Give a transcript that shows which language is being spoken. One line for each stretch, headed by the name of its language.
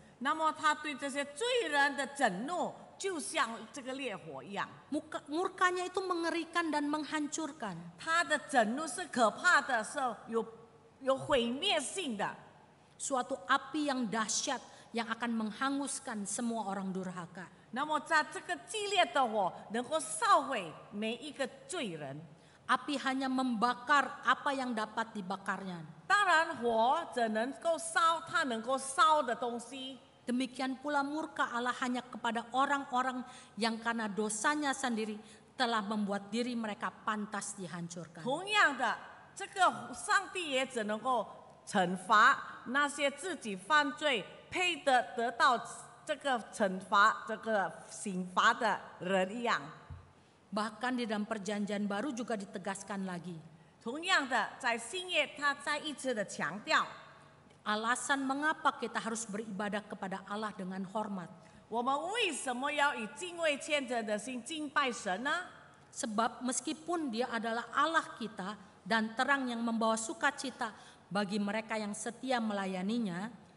Chinese: 那么他对这些罪人的震怒就像这个烈火一样。
Indonesian: Murkanya itu mengerikan dan menghancurkan.
Chinese: 他的震怒是可怕的，是有毁灭性的。
Indonesian: Suatu api yang dahsyat yang akan menghanguskan semua orang durhaka.
Chinese: 那么在这个激烈的火能够烧毁每一个罪人。
Indonesian: Api hanya membakar apa yang dapat dibakarnya.
Chinese: 当然火只能够烧它能够烧的东西.
Indonesian: Demikian pula murka Allah hanya kepada orang-orang yang karena dosanya sendiri telah membuat diri mereka pantas dihancurkan.
Chinese: 同样的，这个上帝也只能够惩罚那些自己犯罪配得到这个惩罚这个刑罚的人一样.
Indonesian: Bahkan di dalam perjanjian baru juga ditegaskan lagi.
Chinese: 同样的，在新约他再一次的强调.
Indonesian: Alasan mengapa kita harus beribadah kepada Allah dengan hormat.
Chinese: 我们为什么要以敬畏虔诚的心敬拜神呢?
Indonesian: Sebab meskipun dia adalah Allah kita dan terang yang membawa sukacita bagi mereka yang setia melayaninya.